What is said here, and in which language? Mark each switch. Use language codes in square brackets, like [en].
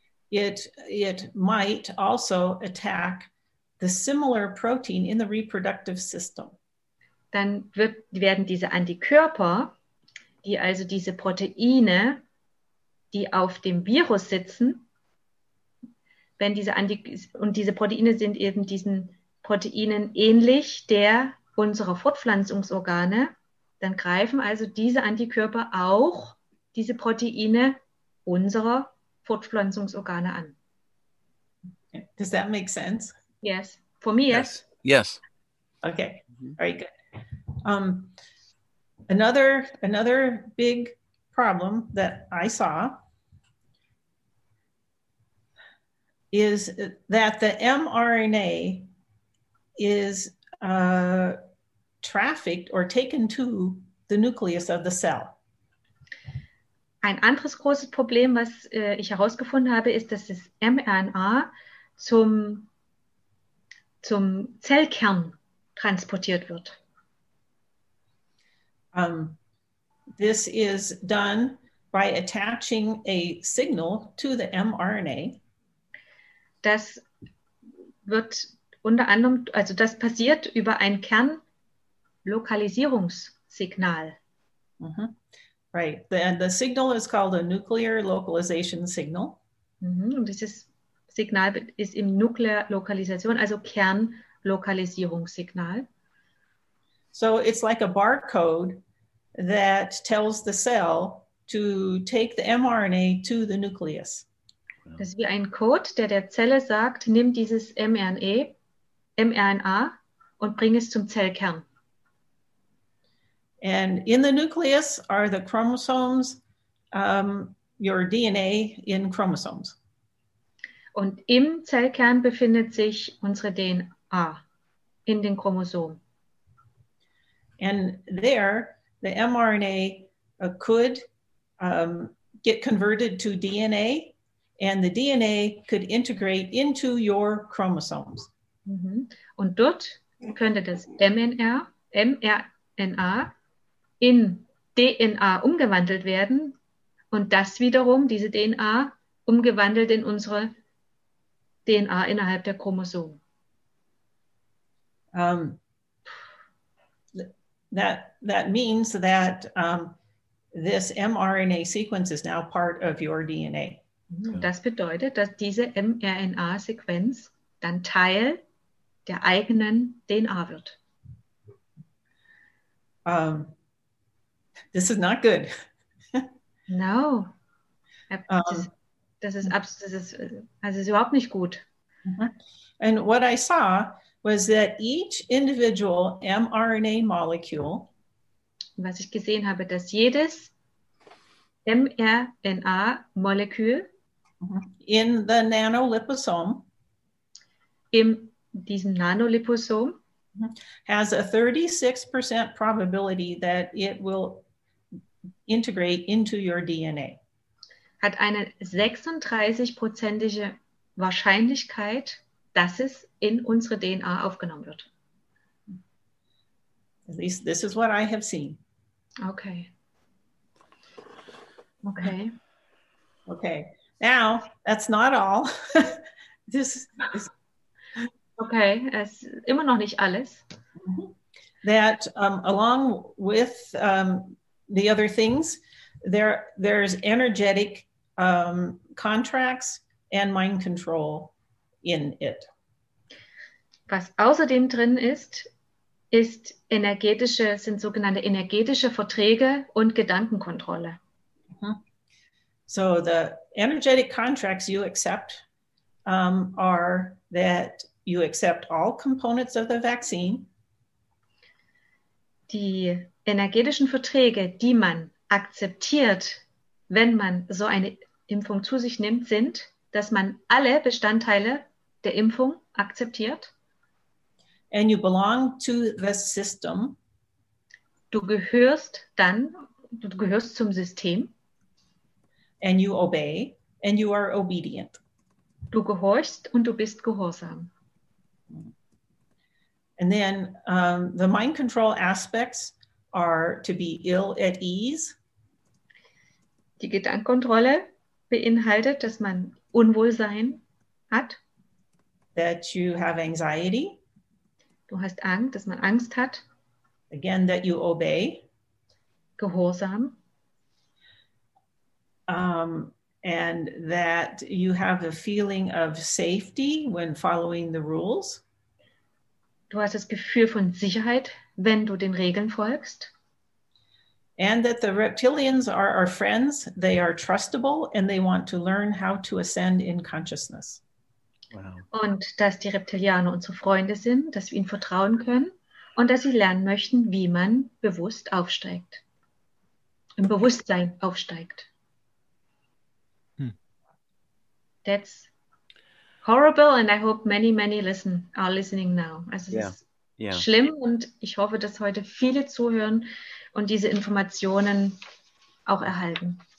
[en] It might also attack the similar protein in the reproductive system. [de] Dann werden diese Antikörper, die also diese Proteine, die auf dem Virus sitzen, wenn diese und diese Proteine sind eben diesen Proteinen ähnlich der unserer Fortpflanzungsorgane, dann greifen also diese Antikörper auch diese Proteine unserer Fortpflanzungsorgane an. [en] Does that make sense? Yes. For me, yes. Yes. Okay. Very good. Another big problem that I saw is that the mRNA is trafficked or taken to the nucleus of the cell. [de] Ein anderes großes Problem, was ich herausgefunden habe, ist, dass das mRNA zum Zellkern transportiert wird. [en] This is done by attaching a signal to the mRNA. [de] Das wird unter anderem, also das passiert über ein Kernlokalisierungssignal. [en] Mm-hmm. Right. The signal is called a nuclear localization signal. Mm-hmm. [de] Und dieses Signal ist im Nuklearlokalisation, also Kernlokalisierungssignal. [en] So it's like a barcode that tells the cell to take the mRNA to the nucleus. [de] Das ist wie ein Code, der Zelle sagt, nimm dieses mRNA und bring es zum Zellkern. [en] And in the nucleus are the chromosomes, your DNA in chromosomes. [de] Und im Zellkern befindet sich unsere DNA in den Chromosomen. [en] And there, the mRNA could get converted to DNA, and the DNA could integrate into your chromosomes. Mm-hmm. [de] Und dort könnte das mRNA in DNA umgewandelt werden und das wiederum, diese DNA, umgewandelt in unsere DNA innerhalb der Chromosomen. [en] That means that this mRNA sequence is now part of your DNA. [de] Das bedeutet, dass diese mRNA-Sequenz dann Teil der eigenen DNA wird. [en] This is not good. No. [de] Das ist überhaupt nicht gut. [en] And what I saw was that each individual mRNA molecule, [de] was ich gesehen habe, dass jedes mRNA-Molekül [en] in the nanoliposome, [de] in diesem Nanoliposom, [en] has a 36% probability that it will integrate into your DNA. [de] Hat eine 36-prozentige Wahrscheinlichkeit, dass es in unsere DNA aufgenommen wird. [en] At least this is what I have seen. Okay. Okay. Okay. Now, that's not all. This is [de] okay, es immer noch nicht alles. [en] That along with the other things, there's energetic contracts and mind control in it. [de] Was außerdem drin ist, ist energetische, sind sogenannte energetische Verträge und Gedankenkontrolle. [en] So the energetic contracts you accept are that you accept all components of the vaccine. [de] Die energetischen Verträge, die man akzeptiert, wenn man so eine Impfung zu sich nimmt, sind, dass man alle Bestandteile der Impfung akzeptiert. [en] And you belong to the system. [de] Du gehörst zum System. [en] And you obey, and you are obedient. [de] Du gehorchst und du bist gehorsam. [en] And then the mind control aspects are to be ill at ease. [de] Die Gedankenkontrolle beinhaltet, dass man Unwohlsein hat. [en] That you have anxiety. [de] Du hast Angst, dass man Angst hat. [en] Again, that you obey. [de] Gehorsam. [en] And that you have a feeling of safety when following the rules. [de] Du hast das Gefühl von Sicherheit, wenn du den Regeln folgst. [en] And that the reptilians are our friends, they are trustable, and they want to learn how to ascend in consciousness. Wow. [de] Und dass die Reptilianer unsere Freunde sind, dass wir ihnen vertrauen können und dass sie lernen möchten, wie man bewusst aufsteigt, im Bewusstsein aufsteigt. Hm. [en] That's horrible and I hope many, many listen, are listening now. [de] Also es ist schlimm und ich hoffe, dass heute viele zuhören und diese Informationen auch erhalten.